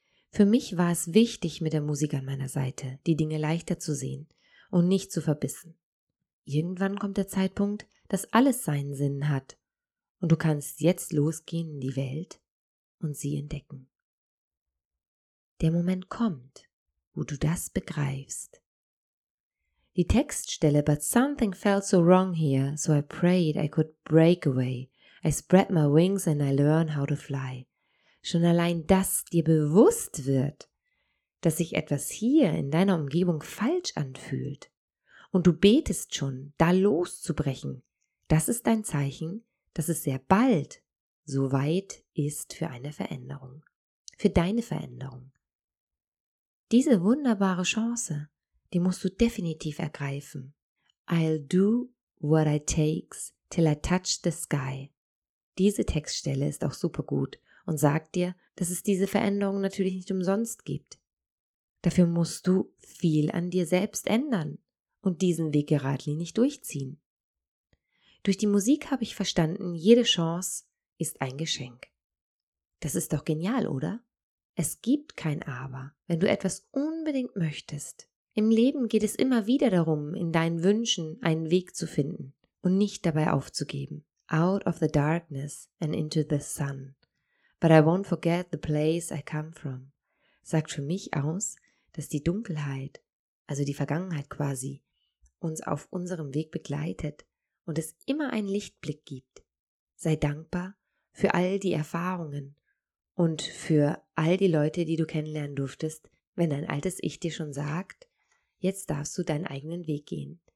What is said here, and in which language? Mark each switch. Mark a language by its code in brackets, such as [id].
[de] Für mich war es wichtig, mit der Musik an meiner Seite die Dinge leichter zu sehen und nicht zu verbissen. Irgendwann kommt der Zeitpunkt, dass alles seinen Sinn hat und du kannst jetzt losgehen in die Welt und sie entdecken. Der Moment kommt, wo du das begreifst. Die Textstelle [en] "But something felt so wrong here, so I prayed I could break away. I spread my wings and I learn how to fly." [de] Schon allein, dass dir bewusst wird, dass sich etwas hier in deiner Umgebung falsch anfühlt und du betest schon, da loszubrechen, das ist ein Zeichen, dass es sehr bald so weit ist für eine Veränderung, für deine Veränderung. Diese wunderbare Chance, die musst du definitiv ergreifen. [en] I'll do what it takes till I touch the sky. [de] Diese Textstelle ist auch super gut und sagt dir, dass es diese Veränderung natürlich nicht umsonst gibt. Dafür musst du viel an dir selbst ändern und diesen Weg geradlinig durchziehen. Durch die Musik habe ich verstanden, jede Chance ist ein Geschenk. Das ist doch genial, oder? Es gibt kein Aber, wenn du etwas unbedingt möchtest. Im Leben geht es immer wieder darum, in deinen Wünschen einen Weg zu finden und nicht dabei aufzugeben. [en] Out of the darkness and into the sun. But I won't forget the place I come from. [de] Sagt für mich aus, dass die Dunkelheit, also die Vergangenheit quasi, uns auf unserem Weg begleitet und es immer einen Lichtblick gibt. Sei dankbar für all die Erfahrungen und für all die Leute, die du kennenlernen durftest, wenn dein altes Ich dir schon sagt, jetzt darfst du deinen eigenen Weg gehen.